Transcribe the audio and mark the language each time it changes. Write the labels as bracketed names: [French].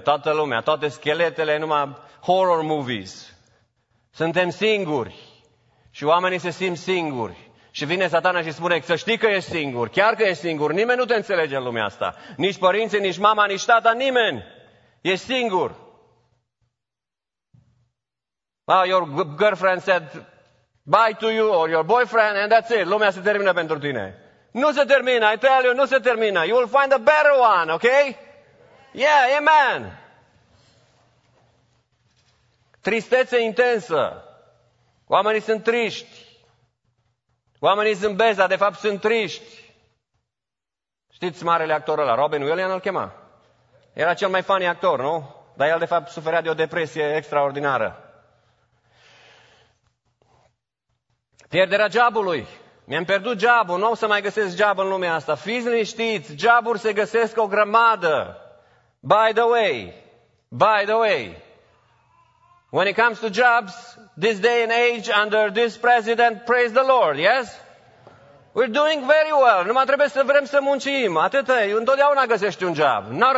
[Romanian] Toată lumea, toate scheletele, numai horror movies. Suntem singuri și oamenii se simt singuri. Și vine satana și spune, să știi că ești singur, chiar că ești singur, nimeni nu te înțelege în lumea asta. Nici părinții, nici mama, nici tata, nimeni. Ești singur. [English] Well, your girlfriend said bye to you or your boyfriend and that's it. [Romanian] Lumea se termină pentru tine. Nu se termină, [English] I tell you, [Romanian] nu se termină. [English] You will find a better one, ok? Yeah, amen. [Romanian] Tristețe intensă. Oamenii sunt triști. Oamenii zâmbesc, dar de fapt sunt triști. Știți marele actor ăla, Robin Williams îl chema. Era cel mai funny actor, nu? Dar el de fapt suferea de o depresie extraordinară. Pierderea jobului. Mi-am pierdut jobul, nu o să mai găsesc job în lumea asta. Fiți liniștiți, joburi se găsesc o grămadă. [English] By the way. When it comes to jobs, this day and age, under this president, praise the Lord, yes? We're doing very well. [Romanian] Numai trebuie să vrem să muncim. Atâta, întotdeauna găsești un job.